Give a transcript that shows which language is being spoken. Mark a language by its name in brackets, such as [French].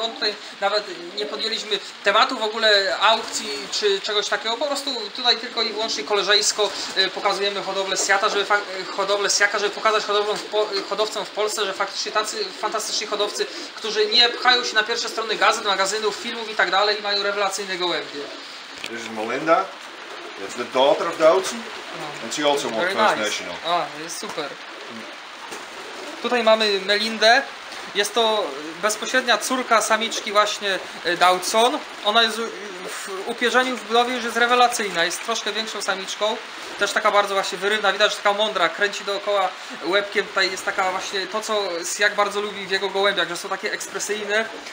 [Polish] On tutaj nawet nie podjęliśmy tematu w ogóle aukcji czy czegoś takiego. Po prostu tutaj tylko i wyłącznie koleżeńsko pokazujemy hodowlę syjaka, żeby pokazać hodowcom w Polsce, że faktycznie tacy fantastyczni hodowcy, którzy nie pchają się na pierwsze strony gazet, magazynów, filmów i tak dalej, mają rewelacyjne gołębie. To jest Melinda. [English] It's the daughter of Dawson. Oh, and she also won First nice. National. [Polish] A, jest super. Tutaj mamy Melindę. Jest to bezpośrednia córka samiczki właśnie Dawson. Ona jest w upierzeniu, w budowie już jest rewelacyjna. Jest troszkę większą samiczką. Też taka bardzo właśnie wyrywna. Widać, że taka mądra. Kręci dookoła łebkiem. Tutaj jest taka właśnie to, co syjak bardzo lubi w jego gołębiach, że są takie ekspresyjne.